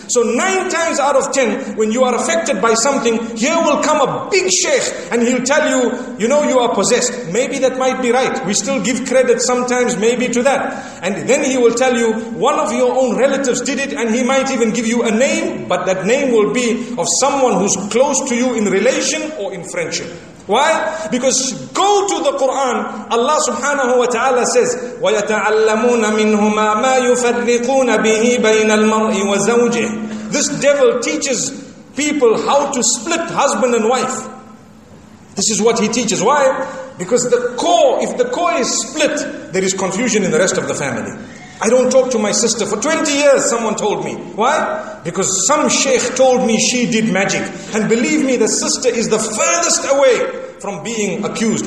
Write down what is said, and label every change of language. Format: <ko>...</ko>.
<en>So 9 times out of 10, when you are affected by something, here will come a big sheikh and he'll tell you, you know, you are possessed. Maybe that might be right. We still give credit sometimes maybe to that. And then he will tell you, one of your own relatives did it, and he might even give you a name, but that name will be of someone who's close to you in relation or in friendship. Why? Because go to the Quran. Allah subhanahu wa ta'ala says,</en> <ar>وَيَتَعَلَّمُونَ مِنْهُمَا مَا يُفَرِّقُونَ بِهِ بَيْنَ الْمَرْءِ وَزَوْجِهِ.</ar> <en>This devil teaches people how to split husband and wife. This is what he teaches. Why? Because the core, if the core is split, there is confusion in the rest of the family. I don't talk to my sister for 20 years, someone told me. Why? Because some sheikh told me she did magic. And believe me, the sister is the furthest away from being accused.</en>